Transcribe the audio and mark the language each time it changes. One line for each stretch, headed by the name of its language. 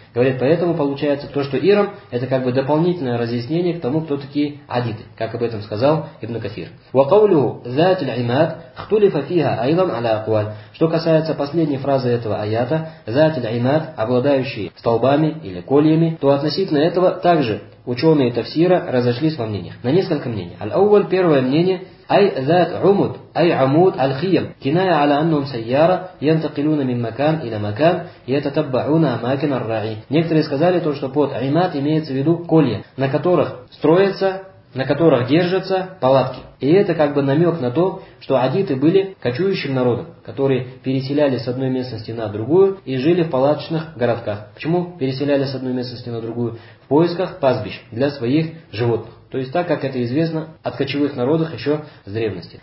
Russian: Говорит, поэтому получается то, что Ирам – это как бы дополнительное разъяснение к тому, кто такие адиты, как об этом сказал ибн Касир.
Arabic: «Вакаулю зятель имад хтулифа фиха айлам аля акуаль».
Russian: Что касается последней фразы этого аята, «зятель имад, обладающий столбами или кольями», то относительно этого также ученые тафсира разошлись во мнениях. На несколько мнений.
Arabic: «Аль-Ауваль» –
Russian: первое мнение
Arabic: – أي ذات عمود أي عمود الخيم كناية على أنهم سيارة ينتقلون من مكان إلى مكان يتتبعون أماكن الراعي.
Russian: Некоторые сказали то, что под عماد имеется в виду колья, на которых строятся на которых держатся палатки. И это как бы намек на то, что адиты были кочующим народом, которые переселялись с одной местности на другую и жили в палаточных городках. Почему переселялись с одной местности на другую? В поисках пастбищ для своих животных. То есть так, как это известно от кочевых народов еще с древности.